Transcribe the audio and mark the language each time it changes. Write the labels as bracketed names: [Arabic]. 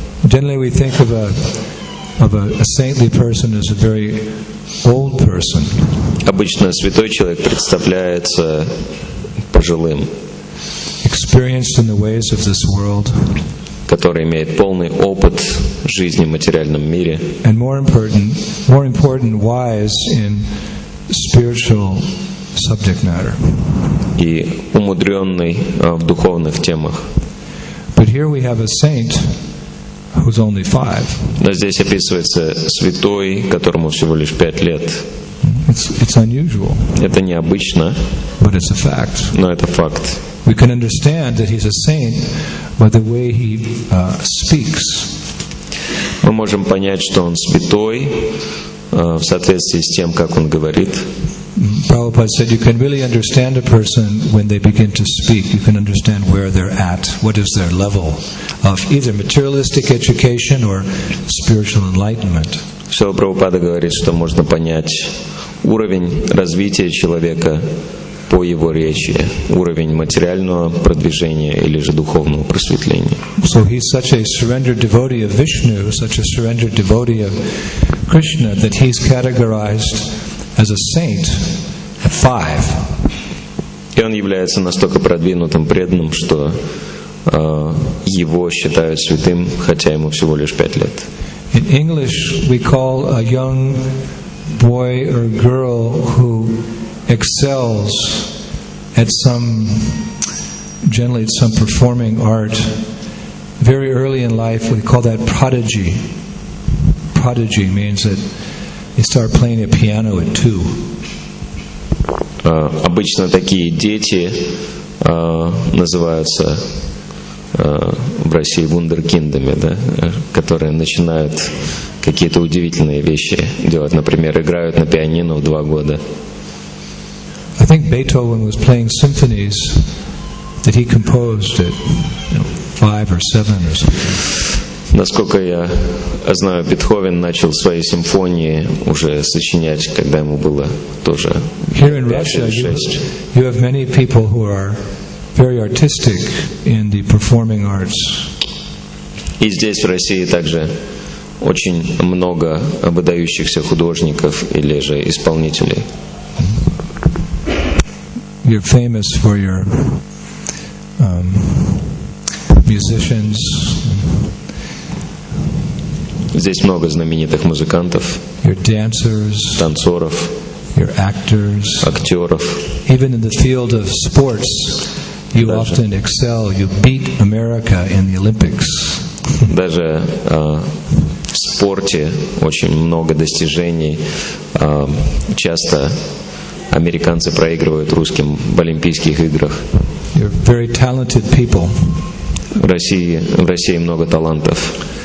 [English] Generally, we think of a saintly person as a very old person. [Russian] Обычно святой человек представляется пожилым, [English] experienced in the ways of this world, [Russian] который имеет полный опыт жизни в материальном мире, [English] and more important, wise in spiritual subject matter. [Russian] И умудренный в духовных темах. [English] But here we have a saint who's only five. [Russian] Но здесь описывается святой, которому всего лишь 5 лет. [English] It's unusual. [Russian] Это необычно. [English] But it's a fact. [Russian] Но это факт. [English] We can understand that he's a saint by the way he speaks. [Russian] Мы можем понять, что он святой в соответствии с тем, как он говорит. [English] Prabhupada said you can really understand a person when they begin to speak. You can understand where they're at, what is their level of either materialistic education or spiritual enlightenment. [Russian] Все, Прабхупада говорит, что можно понять уровень развития человека по его речи, уровень материального продвижения или же духовного просветления. [English] So he's such a surrendered devotee of Vishnu, such a surrendered devotee of Krishna, that he's categorized as a saint at five. [Russian] И он является настолько продвинутым преданным, что его считают святым, хотя ему всего лишь 5 лет. [English] In English, we call a young boy or girl who excels at some, generally at some performing art, very early in life, we call that prodigy. Prodigy means that they start playing a piano at 2. [Russian] Обычно такие дети называются в России вундеркиндами, да, которые начинают какие-то удивительные вещи делать. Например, играют на пианино в 2 года. [English] I think Beethoven was playing symphonies that he composed at 5 or 7 or something. [Russian] Насколько я знаю, Бетховен начал свои симфонии уже сочинять, когда ему было тоже 5 или 6. [English] Here in Russia, you have many people who are very artistic in the performing arts. [Russian] И здесь, в России, также очень много выдающихся художников или же исполнителей. [English] You're famous for your musicians. [Russian] Здесь много знаменитых музыкантов. [English] Your dancers. [Russian] Танцоров. [English] Your actors. [Russian] Актеров. [English] Even in the field of sports, you [Russian] даже [English] often excel. You beat America in the Olympics. [Russian] Даже в спорте очень много достижений. Часто американцы проигрывают русским в Олимпийских играх. [English] You're very talented people. [Russian] В России много талантов.